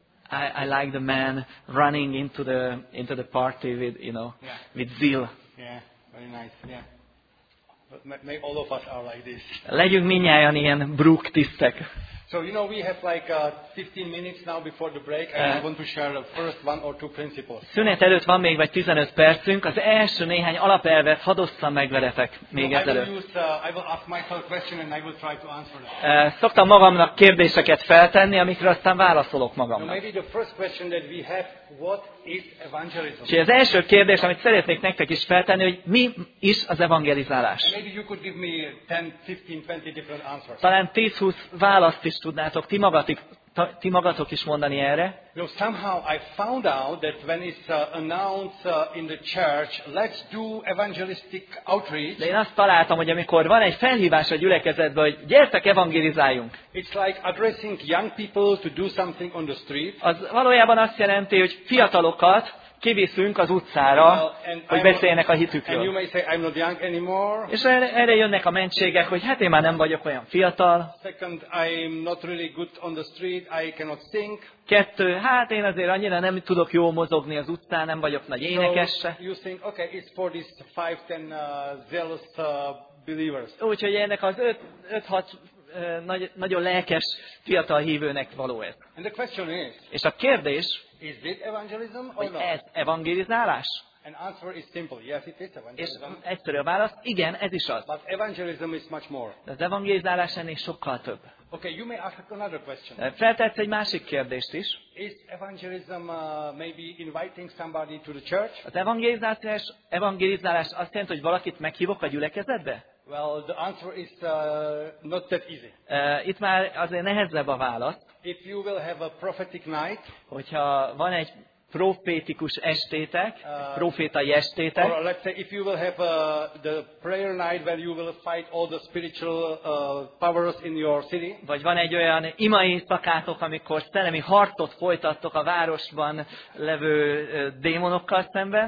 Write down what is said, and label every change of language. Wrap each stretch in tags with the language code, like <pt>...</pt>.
<en>I like the man running into the party with, you know, yeah, with zeal. Yeah, very nice. Yeah, but may all of us are like this.</en> <hu>Legyünk mindnyájan ilyen Brook tisztek.</hu> <en>So you know we have like 15 minutes now before the break, and I want to share the first one or two principles.</en> <hu>Szünet előtt van még vagy 15 percünk. Az első néhány alapelvet hadd osszam meg veletek még ezelőtt.</hu> <en>I will ask myself a question and I will try to answer it.</en> <hu>Szoktam magamnak kérdéseket feltenni, amikre aztán válaszolok magamnak.</hu> <en>So maybe the first question that we have, what is evangelism?</en> <hu>És az első kérdés, amit szeretnék nektek is feltenni, hogy mi is az evangelizálás?</hu> <en>And maybe you could give me 10, 15, 20 different answers.</en> <hu>Talán 10-20 választ is tudnátok ti magatok is mondani erre.</hu> <en>You know, somehow I found out that when it's announced in the church, let's do evangelistic outreach.</en> <hu>De én azt találtam, hogy amikor van egy felhívás a gyülekezetben, hogy gyertek evangelizáljunk.</hu> <en>It's like addressing young people to do something on the street.</en> <hu>Az valójában azt jelenti, hogy fiatalokat kiviszünk az utcára,</hu> <en>well,</en> <hu>hogy beszéljenek a hitükről.</hu> <en>And you may say, I'm not young anymore.</en> <hu>És erre jönnek a mentségek, hogy hát én már nem vagyok olyan fiatal.</hu> <en>Second, I'm not really good on the street, I cannot sing.</en> <hu>Kettő, hát én azért annyira nem tudok jól mozogni az utcán, nem vagyok nagy énekes.</hu> <en>So you think, okay, it's for this 5-10 zealous believers.</en> <hu>Úgyhogy ennek az 5-6 nagyon lelkes fiatal hívőnek való ez.</hu> <en>And the question is,</en> <hu>és a kérdés,</hu> <en>is it evangelism or not?</en> <hu>Ez evangelizálás?</hu> <en>And answer is simple. Yes, it is evangelism.</en> <hu>És egyszerű a válasz, igen, ez is az.</hu> <en>But evangelism is much more.</en> <hu>De az evangelizálás ennél sokkal több.</hu> <en>Okay, you may ask another question.</en> <hu>Feltetsz egy másik kérdést is.</hu> <en>Is evangelism maybe inviting somebody to the church?</en> <hu>Az evangelizálás azt jelenti, hogy valakit meghívok a gyülekezetbe?</hu> <en>Well, the answer is not that easy.</en> <hu>Itt már azért nehezebb a válasz.</hu> <en>If you will have a prophetic night,</en> <hu>hogyha van egy profétikus estétek, profétai estétek,</hu> <en>or let's say if you will have the prayer night where you will fight all the spiritual powers in your city,</en> <hu>vagy van egy olyan ima éjszakátok, amikor szellemi harcot folytattok a városban levő démonokkal szemben,</hu>